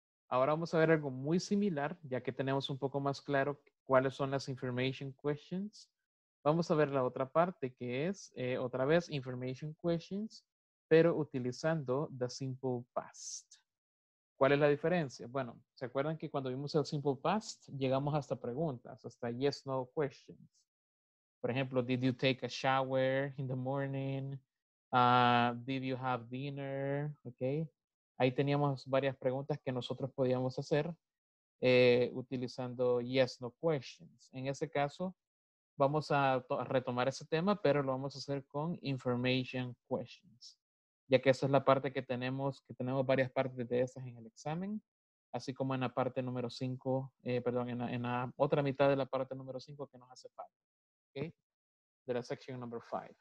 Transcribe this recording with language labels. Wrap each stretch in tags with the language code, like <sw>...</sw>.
<es>Ahora vamos a ver algo muy similar, ya que tenemos un poco más claro cuáles son las information questions. Vamos a ver la otra parte, que es, otra vez, information questions, pero utilizando the simple past. ¿Cuál es la diferencia? Bueno, ¿se acuerdan que cuando vimos el simple past, llegamos hasta preguntas, hasta yes, no questions? Por ejemplo,</es> <en>did you take a shower in the morning? Did you have dinner? Okay.</en> <es>Ahí teníamos varias preguntas que nosotros podíamos hacer utilizando yes, no questions. En ese caso, vamos a retomar ese tema, pero lo vamos a hacer con information questions, ya que esa es la parte que tenemos varias partes de esas en el examen, así como en la parte número 5, perdón, en la otra mitad de la parte número 5 que nos hace falta, okay, de la</es> <en>section number 5.</en>